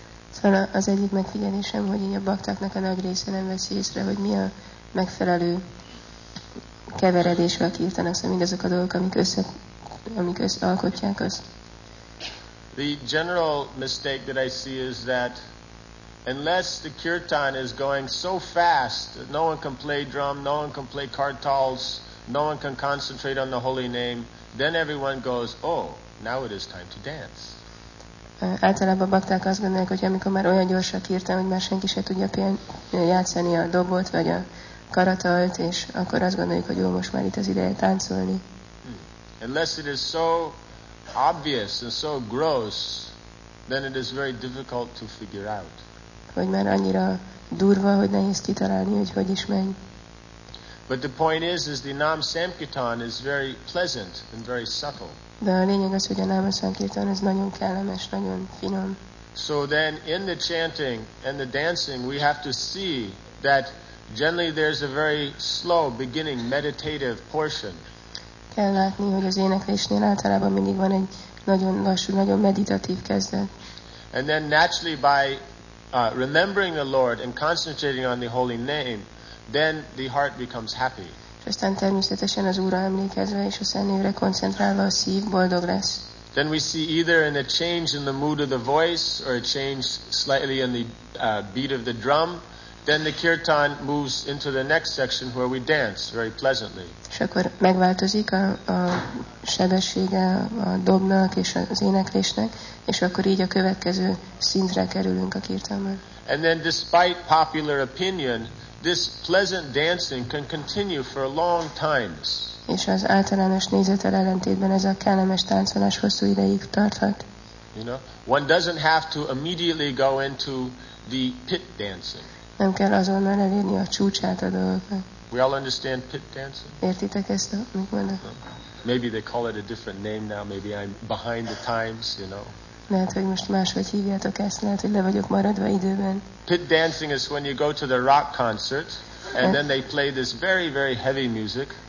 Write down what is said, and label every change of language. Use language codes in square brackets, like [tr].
[hu] Szóval az egyik megfigyelésem, hogy így a baktáknak a nagy része nem veszi észre, hogy mi a megfelelő keveredés, vagy kirtanak, szóval mindezek a dolgok, amik összealkotják azt. [en] The general mistake that I see is that unless the kirtan is going so fast that no one can play drum, no one can play kartals, no one can concentrate on the holy name, then everyone goes, oh, now it is time to dance. [hu] Általában a bakták azt gondolják, hogy amikor már olyan gyorsan kirtan, hogy már senki se tudja játszani a dobot vagy a karatalt, és akkor azt gondoljuk, hogy jó, most már itt az ideje táncolni. [en] Unless it is so obvious and so gross, then it is very difficult to figure out. [hu] Hogy már annyira durva, hogy nehéz kitalálni, hogy hogy is menj. [en] But the point is the Nam Sankirtan is very pleasant and very subtle. [hu] De a lényeg az, hogy a Nam Sankirtan ez nagyon kellemes, nagyon finom. [en] So then in the chanting and the dancing, we have to see that generally there's a very slow beginning meditative portion. [hu] Kell látni, hogy az éneklésnél általában mindig van egy nagyon lassú, nagyon meditatív kezdet. [en] And then naturally by remembering the Lord and concentrating on the holy name, then the heart becomes happy. [hu] És aztán természetesen az Úrra emlékezve és a Szent Névre koncentrálva a szív boldog lesz. [en] Then we see either in a change in the mood of the voice or a change slightly in the beat of the drum, then the kirtan moves into the next section where we dance very pleasantly. [hu] És akkor megváltozik a sebessége a dobnak és az éneklésnek, és akkor így a következő szintre kerülünk a kirtanban. [en] And then despite popular opinion, this pleasant dancing can continue for a long time. [hu] És az általános nézettel ellentétben ez a kellemes táncolás hosszú ideig tarthat. [en] You know, one doesn't have to immediately go into the pit dancing. [hu] Nem kell azonnal elérni a csúcsát a dolgoknak. [en] We all understand pit dancing. [hu] Értitek ezt, mit mondok? [en] Maybe they call it a different name now. Maybe I'm behind the times, you know. [hu] Lehet, hogy most máshogy hívjátok ezt. Lehet, hogy le vagyok maradva időben. [en] Pit dancing is when you go to the rock concert, and then they play this very, very heavy music.